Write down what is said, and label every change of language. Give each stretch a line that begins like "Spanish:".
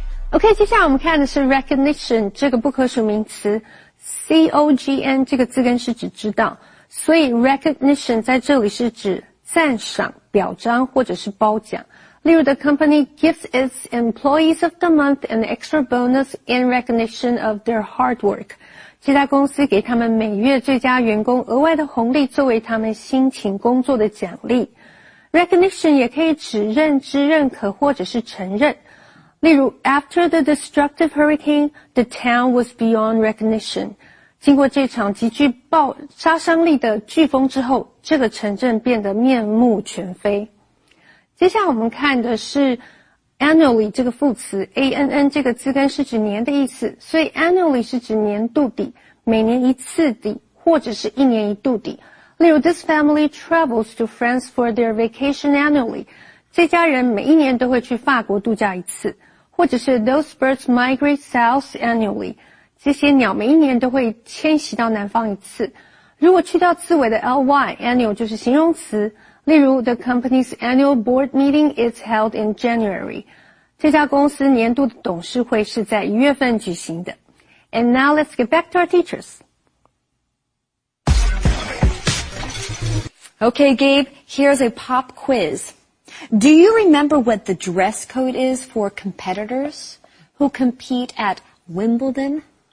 Chinese: OK, 接下来我们看的是 recognition 这个不可数名词 ,C-O-G-N 这个字根是指知道。所以 recognition 在这里是指赞赏、表彰或者是褒奖。例如
English: the company gives its employees of the month an extra bonus in recognition of their hard work.
Chinese: 这家公司给他们每月最佳员工额外的红利作为他们辛勤工作的奖励。 recognition 也可以指认知、认可或者是承认。例如
English: after the destructive hurricane, the town was beyond recognition.
Chinese: 经过这场极具爆杀伤力的飓风之后这个城镇变得面目全非。接下来我们看的是 annually 这个副词 ,ann 这个字根是指年的意思所以 annually 是指年度底每年一次底或者是一年一度底。例如
English: this family travels to France for their vacation annually.
Chinese: 这家人每一年都会去法国度假一次或者是
English: those birds migrate south annually
Chinese: 这些鸟每一年都会迁徙到南方一次如果去掉字尾的 ly annual 就是形容词例如
English: the company's annual board meeting is held in January
Chinese: 这家公司年度的董事会是在1月份举行的。
English: And now let's get back to our teachers. Okay, Gabe, here's a pop quiz. Do you remember what the dress code is for competitors who compete at Wimbledon?